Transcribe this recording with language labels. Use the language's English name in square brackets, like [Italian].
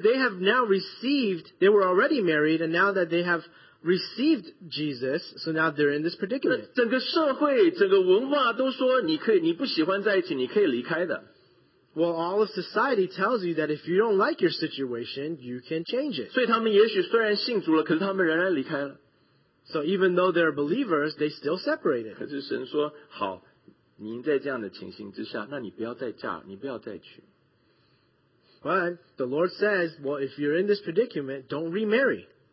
[English] they have now received, they were already married, and now that they have received Jesus, so now they're in this predicament. [Chinese] 整个社会，整个文化都说你可以，你不喜欢在一起，你可以离开的。 [English] Well, all of society tells you that if you don't like your situation, you can change it. [Chinese] 所以他们也许虽然信主了，可是他们仍然离开了。 [English] So even though they're believers, they still separated. [Chinese] 可是神说，好，您在这样的情形之下，那你不要再嫁，你不要再娶。 [English] But the Lord says, well, if you're in this predicament, don't remarry.